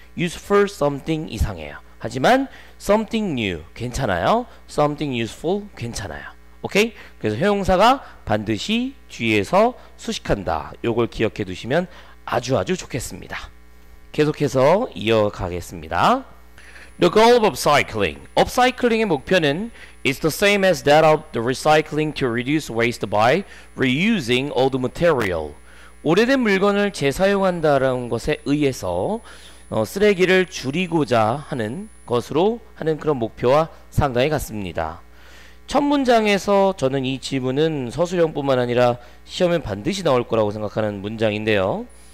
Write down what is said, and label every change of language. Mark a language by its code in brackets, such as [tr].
[en] Useful something, [ko] 이상해요. 하지만 [en] something new, [ko] 괜찮아요. [en] Something useful, [ko] 괜찮아요. 오케이? 그래서 형용사가 반드시 뒤에서 수식한다. 요걸 기억해 두시면 아주 아주 좋겠습니다. 계속해서 이어가겠습니다. [en] The goal of upcycling. Upcycling의 [ko] 목표는 [en] is the same as that of the recycling to reduce waste by reusing old material. [ko] 오래된 물건을 재사용한다라는 것에 의해서 쓰레기를 줄이고자 하는 것으로 하는 그런 목표와 상당히 같습니다. 첫 문장에서 저는 이 질문은 서술형뿐만 아니라 시험에 반드시 나올 거라고 생각하는 문장인데요.